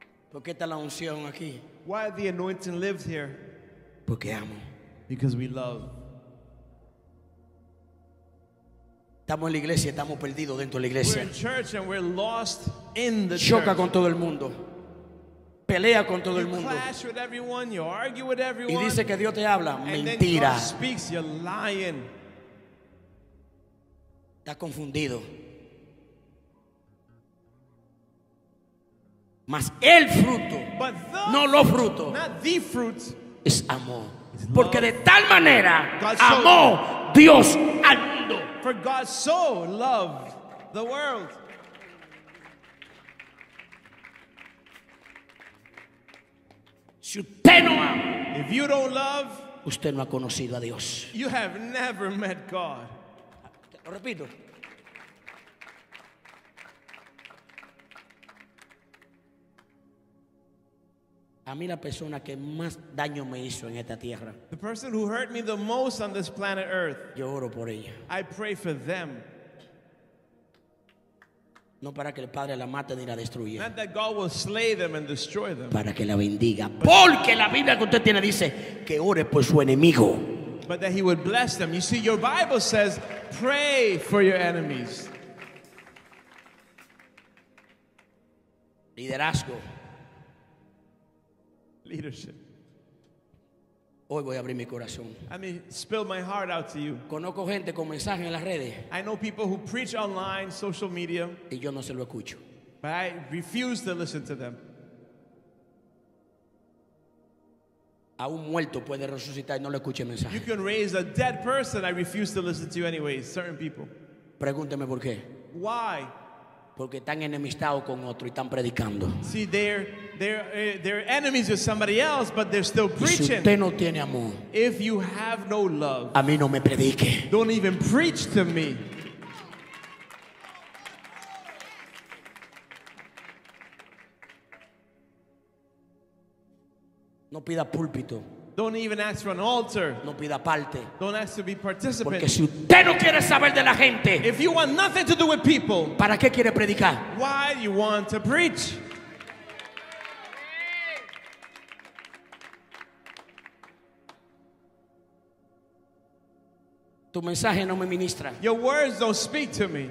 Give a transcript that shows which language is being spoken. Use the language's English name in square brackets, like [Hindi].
[Spanish] ¿Por qué está la unción aquí? [English] Why the anointing lives here? [Spanish] Porque amo. [English] Because we love. [Spanish] Estamos en la iglesia, estamos perdidos dentro de la iglesia. [English] We're in church and we're lost in the church. [Spanish] Choca con todo el mundo. Pelea con todo [English] you [Spanish] el mundo. [English] Clash with everyone, you argue with everyone. [Spanish] Y dice que Dios te habla. [English] And [Spanish] mentira. [English] Then God speaks, you're lying. [Spanish] Está confundido. Mas el fruto, no los frutos, es amor. Porque de tal manera amó Dios al mundo. [English] For God so loved the world. [Spanish] Si usted no ama, [English] if you don't love, [Spanish] usted no ha conocido a Dios. [English] You have never met God. [Spanish] Lo repito. A mí la persona que más daño me hizo en esta tierra. [English] The person who hurt me the most on this planet Earth. [Spanish] Yo oro por ella. [English] I pray for them. [Spanish] No para que el padre la mate ni la destruya. [English] Not that God will slay them and destroy them. [Spanish] Para que la bendiga. Porque la Biblia que usted tiene dice que ore por su enemigo. [English] But that he would bless them. You see, your Bible says, pray for your enemies. [Spanish] Liderazgo. [English] Leadership. [Spanish] Hoy voy a abrir mi corazón. [English] I mean, spill my heart out to you. [Spanish] Conozco gente con mensajes en las redes. [English] I know people who preach online, social media. [Spanish] Y yo no se lo escucho. [English] But I refuse to listen to them. [Spanish] A un muerto puede resucitar y no le escuche el mensaje. [English] You can raise a dead person. I refuse to listen to you anyway, certain people. [Spanish] Pregúnteme por qué. [English] Why? [Spanish] Porque están enemistados con otro y están predicando. [English] See, they're enemies with somebody else, but they're still preaching. [Spanish] Si usted no tiene amor, [English] if you have no love, [Spanish] a mí no me predique. [English] Don't even preach to me. [Spanish] No pida púlpito. [English] Don't even ask for an altar. [Spanish] No pida parte. [English] Don't ask to be participant. [Spanish] Porque si usted no quiere saber de la gente, [English] if you want nothing to do with people, [Spanish] ¿para qué quiere predicar? [English] Why you want to preach? [Spanish] Tu mensaje no me ministra. [English] Your words don't speak to me.